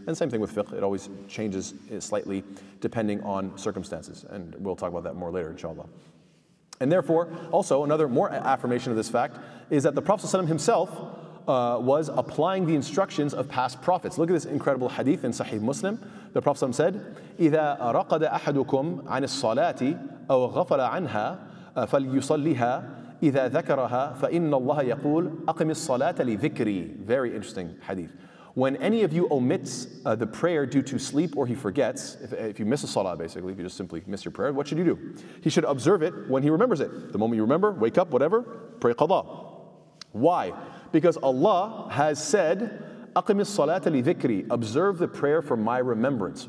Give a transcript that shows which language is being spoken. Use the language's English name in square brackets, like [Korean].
[English] And same thing with fiqh, it always changes slightly depending on circumstances, and we'll talk about that more later, inshallah. And therefore, also another more affirmation of this fact is that the Prophet sallallahu alaihi wasallam himself was applying the instructions of past prophets. Look at this incredible hadith in Sahih Muslim. The Prophet ﷺ said, [Arabic] إِذَا رَقَدَ أَحَدُكُمْ عَنِ الصَّلَاةِ أَوْ غَفَلَ عَنْهَا فَلْيُصَلِّهَا إِذَا ذَكَرَهَا فَإِنَّ اللَّهَ يَقُولُ أَقِمِ الصَّلَاةَ لِذِكْرِي. [English] Very interesting hadith. When any of you omits the prayer due to sleep or he forgets, if you miss a salah basically, if you just simply miss your prayer, what should you do? He should observe it when he remembers it. The moment you remember, wake up, whatever, pray qada. Why? Because Allah has said, [Arabic] أَقِمِ الصَّلَاةَ لِذِكْرِي, [English] observe the prayer for my remembrance.